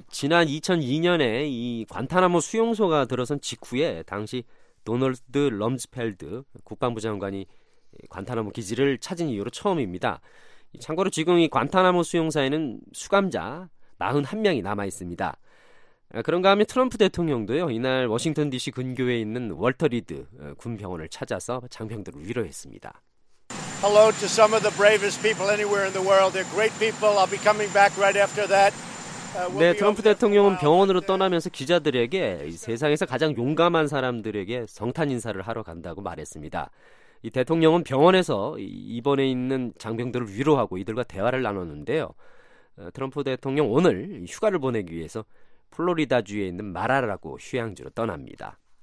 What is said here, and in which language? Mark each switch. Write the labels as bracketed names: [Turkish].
[Korean] 지난 2002년에 이 관타나모 수용소가 들어선 직후에 당시 도널드 럼즈펠드 국방부 장관이 관타나모 기지를 찾은 이후로 처음입니다. 참고로 지금 이 관타나모 수용사에는 수감자 41명이 남아 있습니다. 그런가 하면 트럼프 대통령도요 이날 워싱턴 DC 근교에 있는 월터 리드 군병원을 찾아서 장병들을 위로했습니다. [English] Hello to some of the bravest people anywhere in the world. They're great people. I'll be coming back right after that. [Korean] 네, 트럼프 대통령은 병원으로 떠나면서 기자들에게 세상에서 가장 용감한 사람들에게 성탄 인사를 하러 간다고 말했습니다. 이 대통령은 병원에서 입원해 있는 장병들을 위로하고 이들과 대화를 나눴는데요. 트럼프 대통령 오늘 휴가를 보내기 위해서 플로리다주에 있는 마라라고 휴양지로 떠납니다.